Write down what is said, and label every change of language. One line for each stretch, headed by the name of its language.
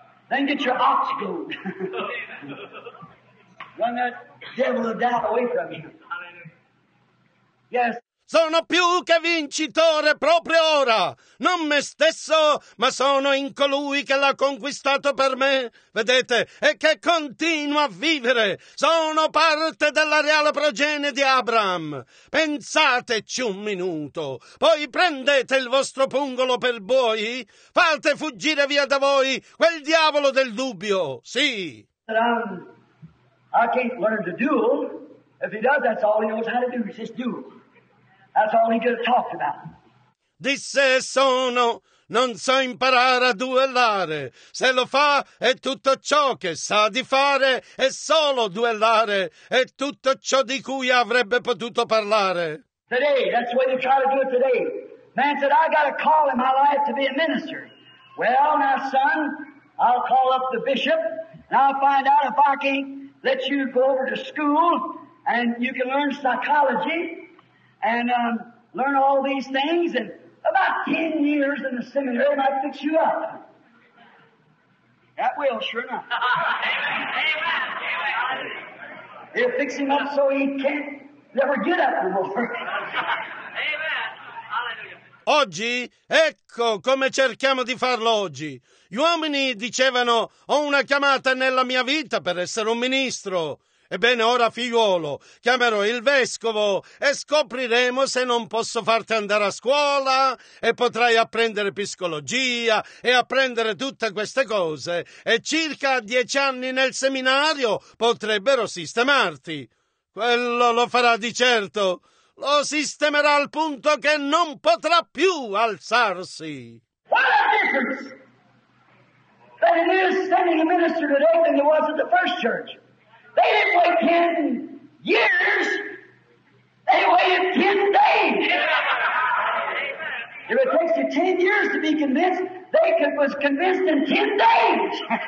English: Then get your ox goad. Run that devil of doubt away from you. Yes.
Italian: Sono più che vincitore proprio ora, non me stesso, ma sono in colui che l'ha conquistato per me, vedete, e che continua a vivere. Sono parte della reale progenie di Abraham. Pensateci un minuto, poi prendete il vostro pungolo per buoi, fate fuggire via da voi quel diavolo del dubbio, sì.
English: I can't learn to do. If he does, that's all he knows how to do, just do. That's all he could have talked about.
Italian: Disse sono, non so imparare a duellare. Se lo fa, è tutto ciò che sa di fare, è solo duellare, è tutto ciò di cui avrebbe potuto parlare.
English: Today, that's the way they try to do it today. Man said, I got a call in my life to be a minister. Well, now, son, I'll call up the bishop, and I'll find out if I can't let you go over to school, and you can learn psychology. And learn all these things, and about 10 years in the seminary might fix you up. That will, sure enough. Amen. Amen. Amen. It'll fix him up so he can't never get up anymore. Amen. Hallelujah.
Italian: Oggi, ecco come cerchiamo di farlo oggi. Gli uomini dicevano, ho una chiamata nella mia vita per essere un ministro. Ebbene, ora, figliuolo, chiamerò il vescovo e scopriremo se non posso farti andare a scuola e potrai apprendere psicologia e apprendere tutte queste cose e circa 10 anni nel seminario potrebbero sistemarti. Quello lo farà di certo. Lo sistemerà al punto che non potrà più alzarsi.
English: What a difference that it is sending a minister today than there was at the first church. They didn't wait 10 years. They waited 10 days. Amen. If it takes you 10 years to be convinced, they was convinced in 10 days.